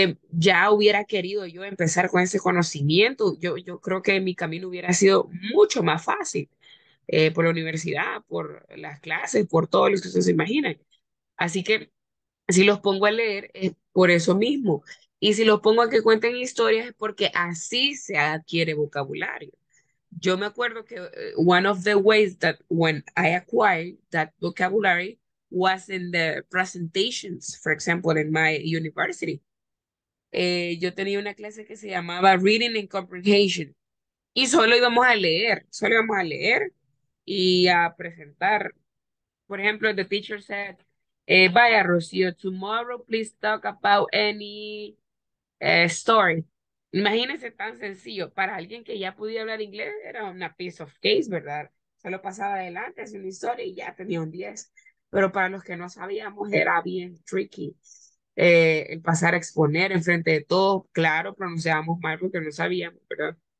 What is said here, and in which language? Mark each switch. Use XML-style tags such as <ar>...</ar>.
<es>Ya hubiera querido yo empezar con ese conocimiento, yo creo que mi camino hubiera sido mucho más fácil por la universidad, por las clases, por todo lo que ustedes se imaginan. Así que si los pongo a leer es por eso mismo. Y si los pongo a que cuenten historias es porque así se adquiere vocabulario. Yo me acuerdo que</es> <en>one of the ways that when I acquired that vocabulary was in the presentations, for example, in my university.</en> <es>Yo tenía una clase que se llamaba Reading and Comprehension y solo íbamos a leer, solo íbamos a leer y a presentar. Por ejemplo,</es> <en>the teacher said,</en> <es>vaya,</es> <en>Rocío, tomorrow please talk about any story.</en> <es>Imagínense tan sencillo, para alguien que ya podía hablar inglés era una</es> <en>piece of cake,</en> <es>¿verdad? Solo pasaba adelante, hacía una historia y ya tenía un 10. Pero para los que no sabíamos era bien tricky. El pasar a exponer en frente de todo, claro, pronunciábamos mal porque no sabíamos, ¿verdad?</es>